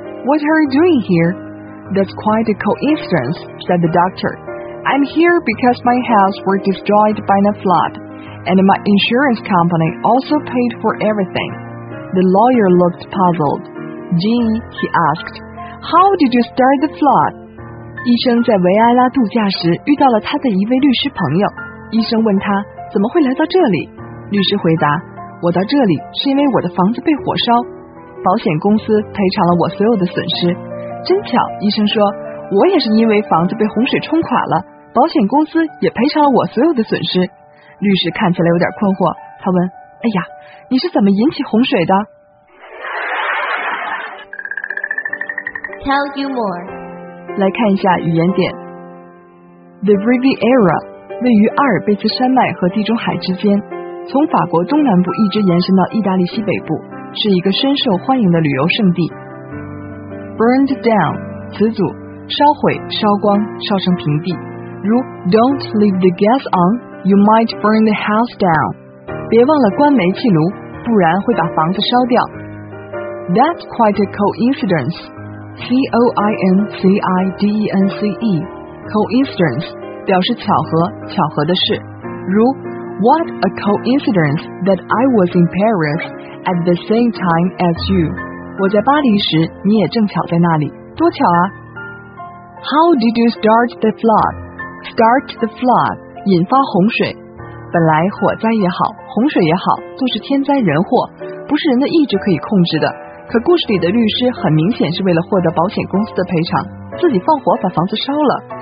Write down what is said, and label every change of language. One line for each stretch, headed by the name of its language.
English: What are you doing here? That's quite a coincidence, said the doctor. I'm here because my house was destroyed by a flood and my insurance company also paid for everything. The lawyer looked puzzled. Jean, he asked, How did you start the flood?
Chinese: 医生在维埃拉度假时遇到了他的一位律师朋友。医生问他怎么会来到这里？律师回答，我到这里是因为我的房子被火烧，保险公司赔偿了我所有的损失。真巧，医生说，我也是因为房子被洪水冲垮了，保险公司也赔偿了我所有的损失。律师看起来有点困惑，他问，哎呀，你是怎么引起洪水的？
English: Tell you more.
Chinese: 来看一下语言点。 The Riviera 位于阿尔卑斯山脉和地中海之间，从法国东南部一直延伸到意大利西北部，是一个深受欢迎的旅游胜地。
English: Burned down
Chinese: 词组，烧毁、烧光、烧成平地，如
English: Don't leave the gas on, you might burn the house down.
Chinese: 别忘了关煤气炉，不然会把房子烧掉。
English: That's quite a coincidence. C-O-I-N-C-I-D-E-N-C-E Coincidence
Chinese: 表示巧合，巧合的事，如
English: What a coincidence that I was in Paris at the same time as you.
Chinese: 我在巴黎时你也正巧在那里，多巧啊。
English: How did you start the flood?
Chinese: Start the flood 引发洪水，本来火灾也好，洪水也好，都是天灾人祸，不是人的意志可以控制的。可故事里的律师很明显是为了获得保险公司的赔偿，自己放火把房子烧了。